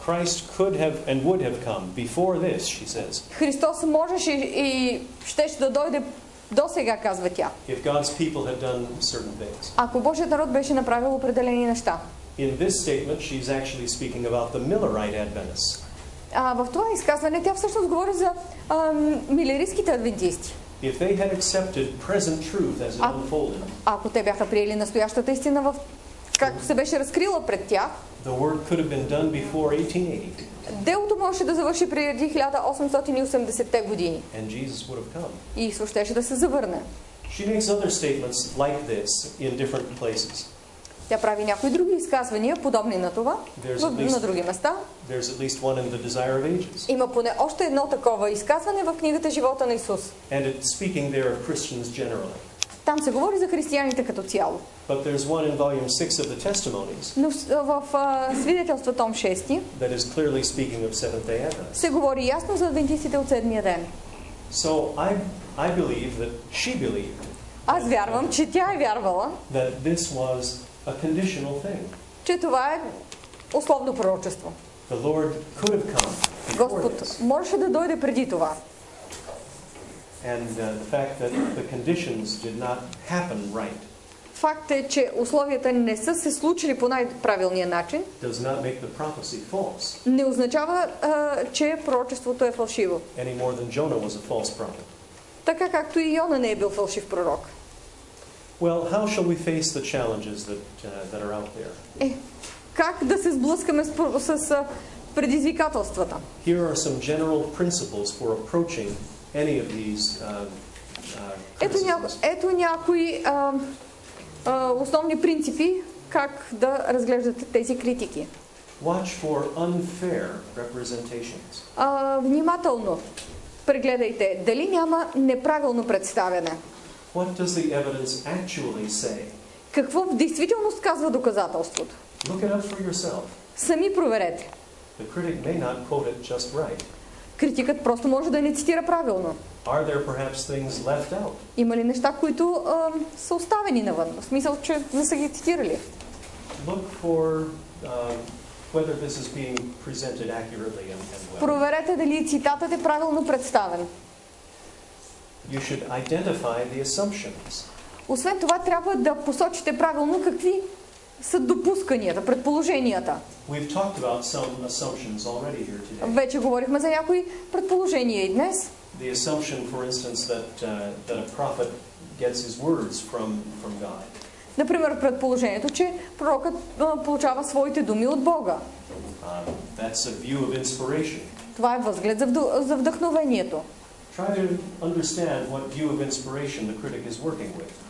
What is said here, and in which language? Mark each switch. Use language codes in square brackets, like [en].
[en] Christ could have and would have come before this, she says. [bg] Христос можеше и щеше да дойде до сега, казва тя. [en] If God's people had done certain things. [bg] Ако Божият народ беше направил определени неща. [en] In this statement, she's actually speaking about the Millerite Adventists. [bg] в това изказване тя всъщност говори за милеристските адвентисти. [en] If they had accepted present truth as it unfolded. [bg] Ако те бяха приели настоящата истина в както се беше разкрила пред тях. [en] The work could have been done before 1880. [bg] Делото можеше да завърши преди 1880-те години. [en] And Jesus would have come. [bg] И Исус щеше да се завърне. [en] She makes other statements like this in different places. [bg] Тя прави някои други изказвания, подобни на това, на други места. [en] There's at least one in the Desire of Ages. [bg] Има поне още едно такова изказване в книгата Живота на Исус. [en] And it's speaking there of Christians generally. [bg] Там се говори за християните като цяло. [en] But there's one in volume 6 of the Testimonies. [bg] Но в свидетелство том 6-ти. [en] That is clearly speaking of Seventh-day Adventists. [bg] Се говори ясно за адвентистите от седмия ден. [en] So I believe that she believed. [bg] Аз вярвам, че тя е вярвала. [en] That this was a conditional thing. [bg] Че това е условно пророчество. [en] The Lord could have come. [bg] Господ можеше да дойде преди това. [en] And the fact that the conditions did not happen right. [bg] Факт е, че условията не са се случили по най-правилния начин. [en] Does not make the prophecy false. [bg] Не означава, че пророчеството е фалшиво. [en] Any more than Jonah was a false prophet. [bg] Така както и Йона не е бил фалшив пророк. [en] Well, how shall we face the challenges that are out there? [bg] Как да се сблъскаме с предизвикателствата? [en] Here are some general principles for approaching any of these criticisms. [bg] Ето някои основни принципи как да разглеждате тези критики. [en] Watch for unfair representations. [bg] Внимателно прегледайте дали няма неправилно представяне. [en] What does the evidence actually say? [bg] Какво в действителност казва доказателството? [en] Look it up for yourself. [bg] Сами проверете. [en] The critic may not quote it just right. [bg] Критикът просто може да не цитира правилно. [en] Are there perhaps things left out? [bg] Има ли неща, които са оставени навън? В смисъл, че не са ги цитирали. [en] Look for whether this is being presented accurately and well. [bg] Проверете дали цитатът е правилно представен. [en] You should identify the assumptions. [bg] Освен това, трябва да посочите правилно какви са допусканията, предположенията. [en] We've talked about some assumptions already here today. [bg] Вече говорихме за някои предположения и днес. [en] The assumption, for instance, that a prophet gets his words from God. [bg] Например, предположението, че пророкът получава своите думи от Бога. [en] That's a view of inspiration. [bg] Това е възглед за вдъхновението. [en] Try to understand what view of inspiration the critic is working with.